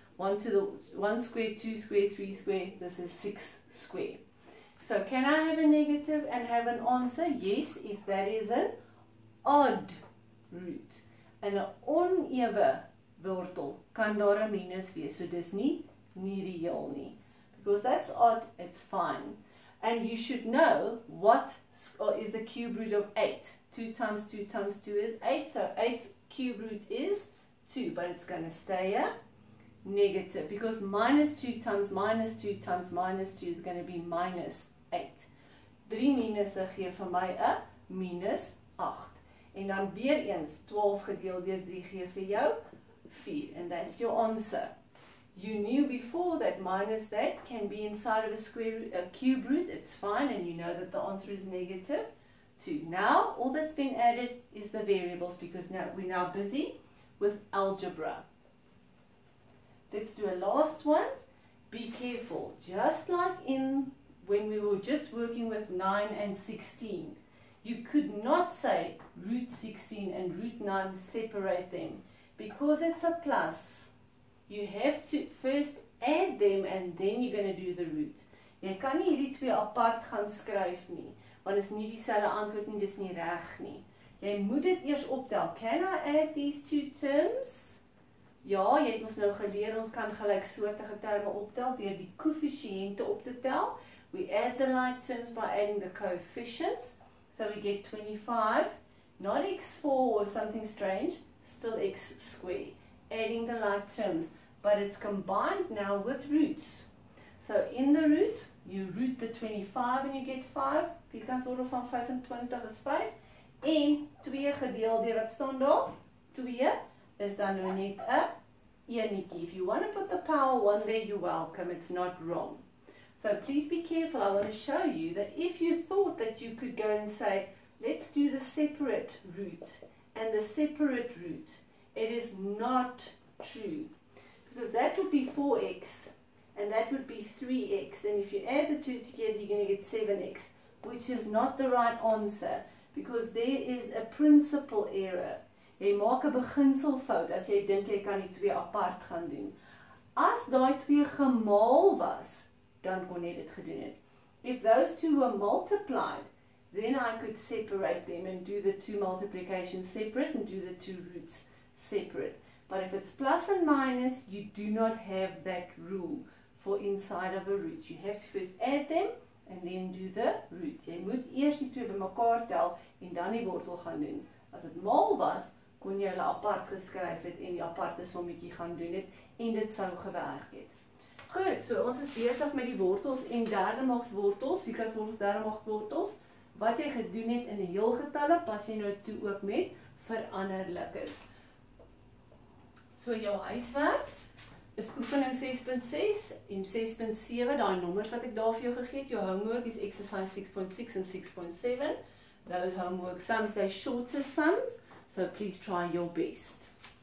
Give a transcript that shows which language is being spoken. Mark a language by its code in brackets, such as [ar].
[en] 1 to the 1 square, 2 square, 3 square, this is 6 square. So can I have a negative and have an answer? Yes, if that is an odd root. [af] In 'n onewe wortel kan daar 'n minus wees, so dis nie reëel nie. [en] Because that's odd, it's fine. And you should know what is the cube root of 8. 2 times 2 times 2 is 8, so 8's cube root is 2, but it's going to stay a negative, because minus 2 times minus 2 times minus 2 is going to be minus 8. [af] 3 minus gee vir my 'n minus 8. En dan weer eens, 12 gedeel deur 3 gee vir jou 4. [en] And that's your answer. You knew before that minus that can be inside of a square root, a cube root. It's fine, and you know that the answer is negative 2. Now, all that's been added is the variables, because now we're now busy with algebra. Let's do a last one. be careful, just like in when we were just working with 9 and 16, you could not say root 16 and root 9, separate them, because it's a plus. You have to first add them and then you're going to do the root. [af] Jy kan nie hierdie twee apart gaan skryf nie, want is nie dieselfde antwoord nie, dis nie reg nie. Jy moet dit eers optel. [en] Can I add these two terms? [af] Ja, jy het ons nou geleer, ons kan gelyksoortige terme optel deur die koëffisiënte op te tel. [en] We add the like terms by adding the coefficients. So we get 25, not x4 or something strange, still x squared. Adding the like terms, but it's combined now with roots. So in the root, you root the 25 and you get 5. [af] Vierkantsorde van 25 is 5. En 2 gedeel deur wat staan daar? 2 is dan nou net 'n eenetjie. [en] If you want to put the power 1 there, you're welcome. It's not wrong. So please be careful. I want to show you that if you thought that you could go and say, let's do the separate root and the separate root, it is not true. Because that would be 4x. And that would be 3x. And if you add the two together, you're going to get 7x, which is not the right answer, because there is a principle error. [af] Jy maak 'n beginselfout as jy dink jy kan die twee apart gaan doen. As daai twee gemaal was, dan kon jy dit gedoen het. [en] If those two were multiplied, then I could separate them and do the two multiplications separate and do the two roots separate. But if it's plus and minus, you do not have that rule for inside of a root. You have to first add them and then do the root. [af] Jy moet eers die twee bymekaar tel en dan die wortel gaan doen. As dit maal was, kon jy hulle apart geskryf het en die aparte sommetjie gaan doen het en dit sou gewerk het. Goed, so ons is besig met die wortels en derdemagswortels, vierkantswortels, derdemagswortels. Wat jy gedoen het in heelgetalle, pas jy nou toe ook met veranderlikes. So jou huiswerk is oefening 6.6 en 6.7, daai nommers wat ek daar vir jou gegee het. [en] Jou homework is exercise 6.6 en 6.7. Those homework sums, they're shorter sums, so please try your best.